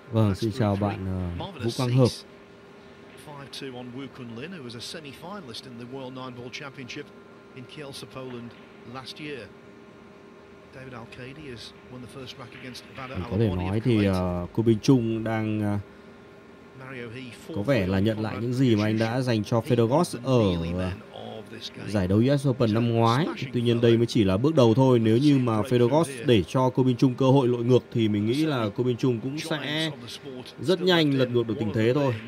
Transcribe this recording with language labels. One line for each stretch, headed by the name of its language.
Vietnamese: Vâng, xin chào bạn Vũ Quang Hợp.
English: 5-2 on Wu Kunlin, who was a semi-finalist in the World Nine Ball Championship in Kielce, Poland last year. David Alcady has won the first rack against Vada Alamoni.
Vietnamese: Có thể nói thì Corbin Chung đang có vẻ là nhận lại những gì mà anh đã dành cho Fedorov ở giải đấu US Open năm ngoái. Tuy nhiên đây mới chỉ là bước đầu thôi. Nếu như mà Fedorov để cho Corbin Chung cơ hội lội ngược thì mình nghĩ là Corbin Chung cũng sẽ rất nhanh lật ngược được tình thế thôi.